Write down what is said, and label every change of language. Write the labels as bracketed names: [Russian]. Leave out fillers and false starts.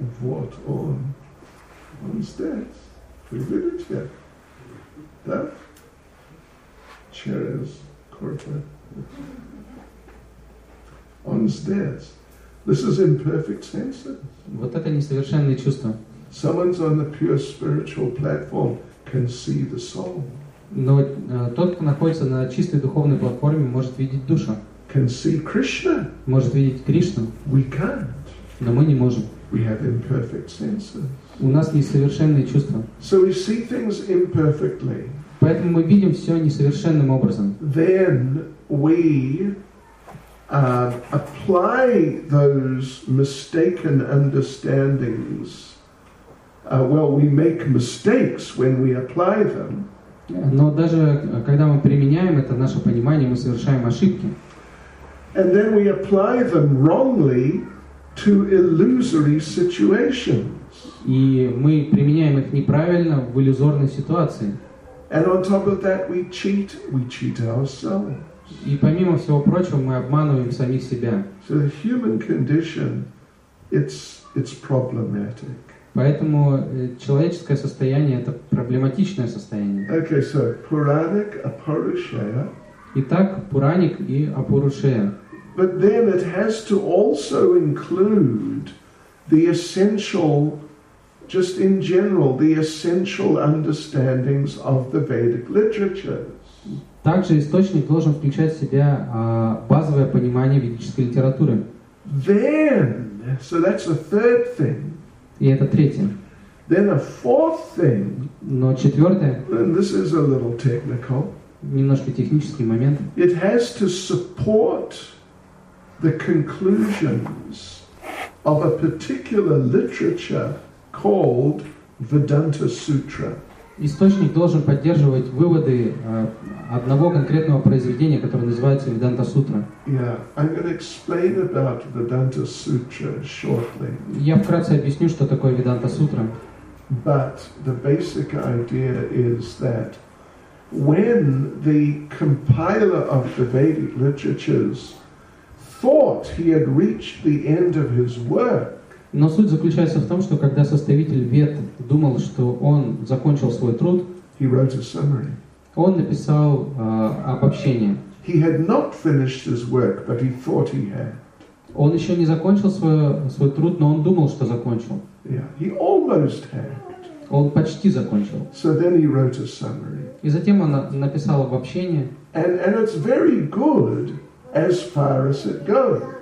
[Russian] Вот он. Он здесь. Вы видите? Да? Через корпус. Он здесь. [English] This is imperfect senses. [Russian] Вот это несовершенные чувства. [English] Someone's on the pure spiritual platform can see the soul. [Russian] Но тот, кто находится на чистой духовной платформе, может видеть душу. [English] Can see Krishna. [Russian] Может видеть Кришну. [English] We can't. [Russian] Но мы не можем. [English] We have imperfect senses. [Russian] У нас несовершенные чувства. [English] So we see things imperfectly. [Russian] Поэтому мы видим все несовершенным образом. [English] Then we apply those mistaken understandings. We make mistakes when we apply them. [Russian] Но даже когда мы применяем это наше понимание, мы совершаем ошибки. [English] And then we apply them wrongly to illusory situations. [Russian] И мы применяем их неправильно в иллюзорной ситуации. [English] And on top of that, we cheat. We cheat ourselves. [Russian] И помимо всего прочего, мы обманываем самих себя. [English] So the human condition, it's problematic. [Russian] Поэтому человеческое состояние это проблематичное состояние. [English] Okay, so Puranic, Apurushaya. [Russian] Итак, Пураник и Апурушея. [English] But then it has to also include the essential, just in general, the essential understandings of the Vedic literatures. [Russian] Также источник должен включать в себя базовое понимание ведической литературы. [English] Then, so that's a third thing. [Russian] И это третье. [English] Then a fourth thing. [Russian] Но четвертое. [English] And this is a little technical. [Russian] Немножко технический момент. [English] It has to support the conclusions of a particular literature called Vedanta Sutra. [Russian] Источник должен поддерживать выводы одного конкретного произведения, которое называется Веданта Сутра. [English] Yeah, I'm going to explain about Vedanta Sutra shortly. [Russian] Я вкратце объясню, что такое Веданта Сутра. [English] But the basic idea is that when the compiler of the Vedic literatures thought he had reached the end of his work. [Russian] Но суть заключается в том, что когда составитель Вед думал, что он закончил свой труд, [English] he wrote a summary. [Russian] Он написал обобщение. [English] He had not finished his work, but he thought he had. [Russian] Он еще не закончил свой труд, но он думал, что закончил. [English] Yeah, he almost had. [Russian] Он почти закончил. [English] So then he wrote a summary. [Russian] И затем он написал обобщение. [English] And it's very good as far as it goes.